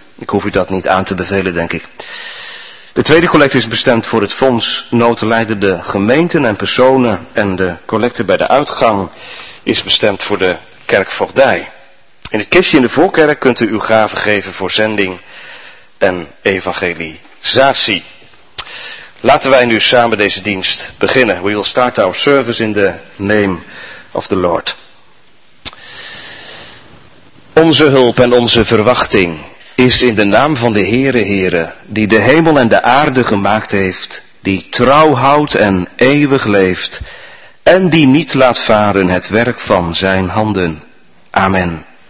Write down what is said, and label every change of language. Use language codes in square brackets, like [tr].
[nl] Ik hoef u dat niet aan te bevelen, denk ik. De tweede collecte is bestemd voor het fonds noodlijdende gemeenten en personen. En de collecte bij de uitgang is bestemd voor de kerkvoogdij. In het kistje in de voorkerk kunt u uw gave geven voor zending en evangelisatie. Laten wij nu samen deze dienst beginnen. [en] We will start our service in the name of the Lord. [nl] Onze hulp en onze verwachting is in de naam van de Heere, Heere, die de hemel en de aarde gemaakt heeft, die trouw houdt en eeuwig leeft, en die niet laat varen het werk van zijn handen. Amen.